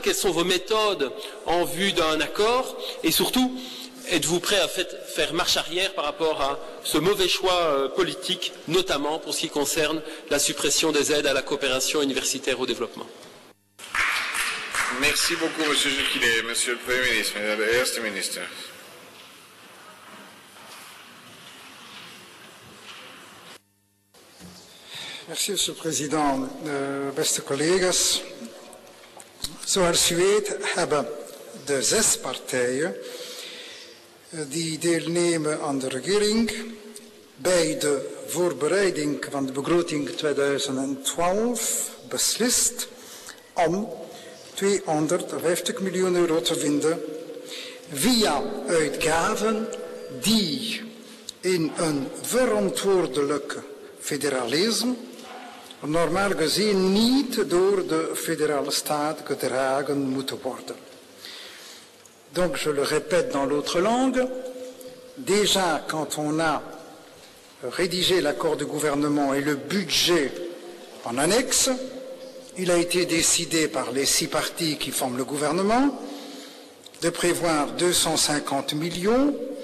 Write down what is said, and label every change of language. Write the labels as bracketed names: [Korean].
[French] Quelles sont vos méthodes en vue d'un accord? Et surtout, êtes-vous prêt à faire marche arrière par rapport à ce mauvais choix politique, notamment pour ce qui concerne la suppression des aides à la coopération universitaire au développement? Merci beaucoup, monsieur Jukilé. Monsieur le Premier ministre, madame la Première ministre. Merci, monsieur le Président. [Dutch] Beste collega's, zoals u weet hebben de zes partijen die deelnemen aan de regering bij de voorbereiding van de begroting 2012 beslist om 250 miljoen euro te vinden via uitgaven die in een verantwoordelijk federalisme normaal gezien niet door de federale staat gedragen moeten worden. [French] Donc, je le répète dans l'autre langue, déjà quand on a rédigé l'accord de gouvernement et le budget en annexe, il a été décidé par les six parties qui forment le gouvernement de prévoir 250 millions